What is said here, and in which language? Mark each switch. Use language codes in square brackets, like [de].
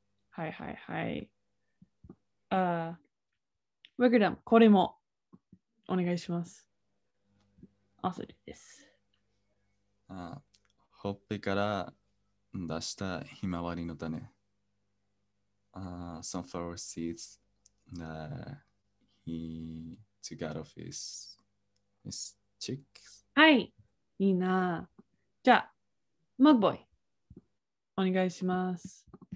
[ja] はいはいはい。ウィグダム、これもお願いします。 [en] Also do this. [ja] ほっぺから出したひまわりの種。 [en] Sunflower seeds that he took out of his cheeks. [ja] はい、いいな。じゃあ、マグボイ、お願いします。